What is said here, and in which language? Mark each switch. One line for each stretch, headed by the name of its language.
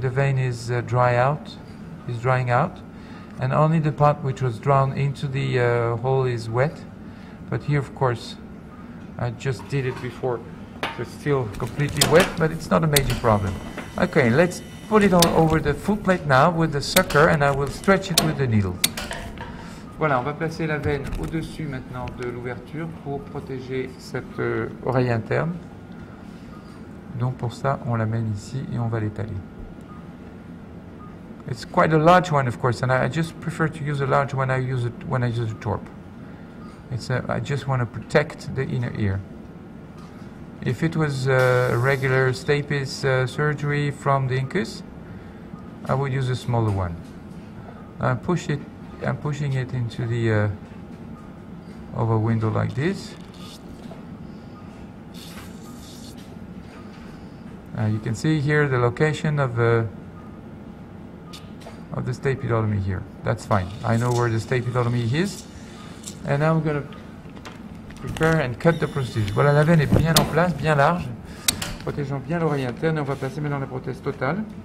English: The vein is drying out. And only the part which was drawn into the hole is wet. But here, of course, I just did it before, so it's still completely wet, but it's not a major problem. Okay, let's put it all over the food plate now with the sucker, and I will stretch it with the needle.
French: Voilà, on va placer la veine au-dessus maintenant de l'ouverture pour protéger cette oreille interne. Donc pour ça, on la mène ici et on va l'étaler.
English: It's quite a large one, of course, and I just prefer to use a large one when I use a torp. I just want to protect the inner ear. If it was a regular stapes surgery from the incus, I would use a smaller one. I'm pushing it into the oval window like this. You can see here the location of the stapedotomy here. That's fine. I know where the stapedotomy is. And now I'm going to prepare and cut the prosthesis.
French: Voilà, la veine est bien en place, bien large, protégeant bien l'oreille interne. Et on va placer maintenant la prothèse totale.